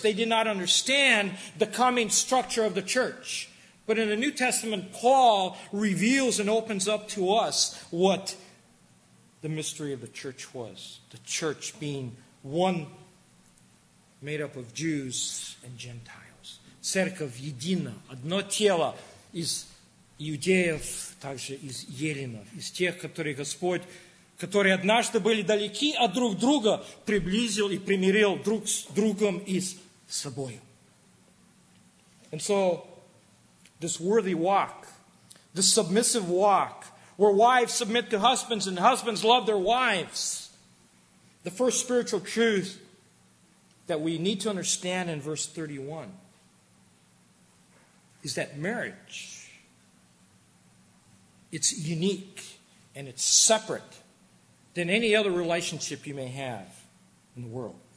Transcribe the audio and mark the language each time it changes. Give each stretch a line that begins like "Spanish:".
English: They did not understand the coming structure of the church. But in the New Testament, Paul reveals and opens up to us what the mystery of the church was. The church being one made up of Jews and Gentiles.
Russian: Церковь едина, одно тело из иудеев, также из еленов, из тех, которые Господь, которые однажды были далеки от друг друга, приблизил и примирил друг с другом и с собой.
English: And so, this worthy walk, this submissive walk, where wives submit to husbands and husbands love their wives, the first spiritual truth that we need to understand in verse 31 is that marriage, it's unique and it's separate than any other relationship you may have in the world.